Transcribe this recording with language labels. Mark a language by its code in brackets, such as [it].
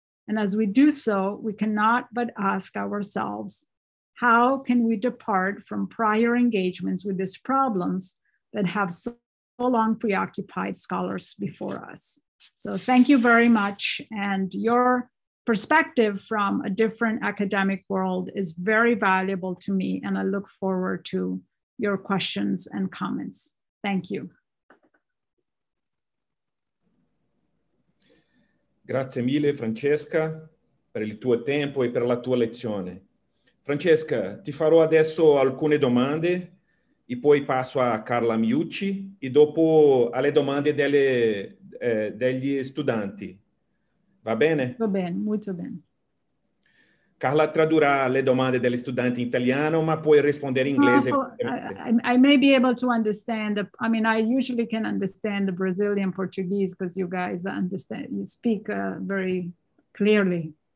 [en] And as we do so, we cannot but ask ourselves, how can we depart from prior engagements with these problems that have so long preoccupied scholars before us. So thank you very much. And your perspective from a different academic world is very valuable to me. And I look forward to your questions and comments. Thank you. [it] Grazie mille, Francesca, per il tuo tempo e per la tua lezione. Francesca, ti farò adesso alcune domande. E poi passo a Carla Miucci e dopo alle domande degli studenti. Va bene? Va bene, molto bene. Carla tradurrà le domande degli studenti in italiano, ma puoi rispondere in inglese. [en] I may be able to understand. I mean, I usually can understand the Brazilian Portuguese because you guys understand, you speak very clearly.